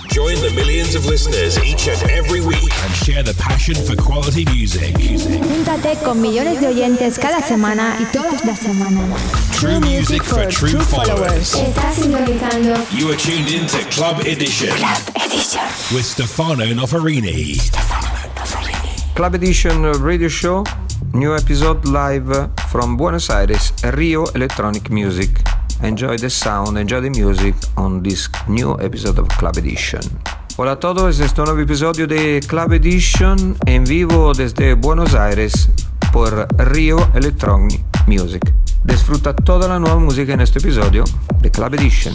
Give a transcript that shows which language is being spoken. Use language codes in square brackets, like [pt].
[en] Join the millions of listeners each and every week and share the passion for quality music. [es] Júntate con millones de oyentes cada semana y todas las semanas. [en] True music for true followers. [es] Estás sintonizando. [en] You are tuned in to Club Edition. Club Edition. With Stefano Noferini. Club Edition radio show. New episode live from Buenos Aires, Rio Electronic Music. Enjoy the sound, enjoy the music on this new episode of Club Edition. [es] Hola a todos, es un nuevo episodio de Club Edition en vivo desde Buenos Aires por Rio Electronic Music. Disfruta toda la nueva música en este episodio de Club Edition.